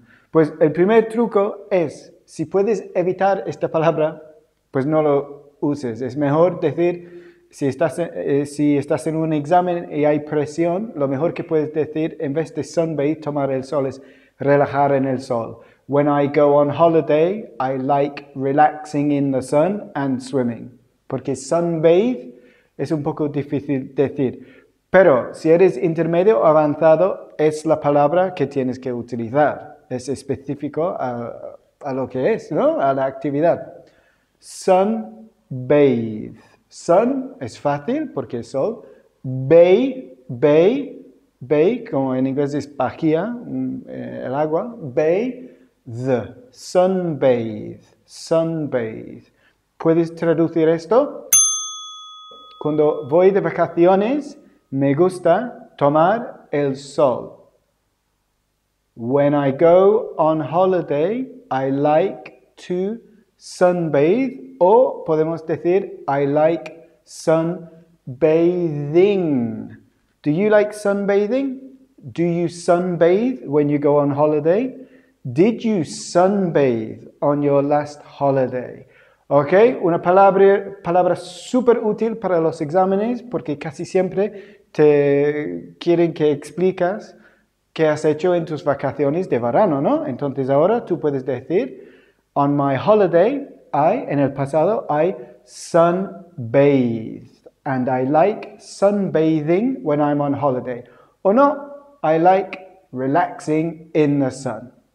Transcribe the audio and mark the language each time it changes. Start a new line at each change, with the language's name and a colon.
Spanish: Pues el primer truco es, si puedes evitar esta palabra, pues no lo uses. Es mejor decir, si estás en un examen y hay presión, lo mejor que puedes decir, en vez de sunbathe, tomar el sol, es relajar en el sol.
English: When I go on holiday, I like relaxing in the sun and swimming.
Spanish: Porque sunbathe es un poco difícil decir. Pero si eres intermedio o avanzado, es la palabra que tienes que utilizar. Es específico a lo que es, ¿no? A la actividad. Sunbathe. Sun es fácil porque es sol. Bay, como en inglés es bahía, el agua. Bathe. Sunbathe. ¿Puedes traducir esto? Cuando voy de vacaciones, me gusta tomar el sol.
English: When I go on holiday, I like to sunbathe.
Spanish: O podemos decir,
English: I like sunbathing. Do you like sunbathing? Do you sunbathe when you go on holiday? Did you sunbathe on your last holiday?
Spanish: Ok, una palabra súper útil para los exámenes porque casi siempre te quieren que explicas qué has hecho en tus vacaciones de verano, ¿no? Entonces ahora tú puedes decir,
English: on my holiday,
Spanish: en el pasado,
English: I sunbathed. And I like sunbathing when I'm on holiday.
Spanish: O no,
English: I like relaxing in the sun.